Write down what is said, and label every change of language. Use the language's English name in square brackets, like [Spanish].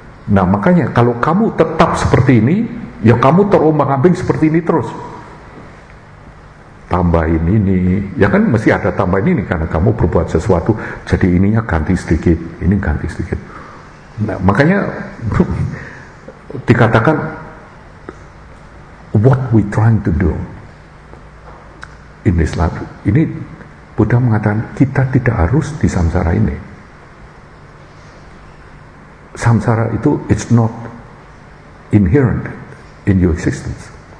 [Indonesian] Nah makanya kalau kamu tetap seperti ini, ya kamu terombang-ambing seperti ini terus. Tambahin ini, ya kan mesti ada tambahin ini karena kamu berbuat sesuatu, jadi ininya ganti sedikit, ini ganti sedikit. Nah, makanya dikatakan [English] what we trying to do in this life. [Indonesian] Ini Buddha mengatakan kita tidak harus di samsara ini. Samsara itu [English] it's not inherent in your existence.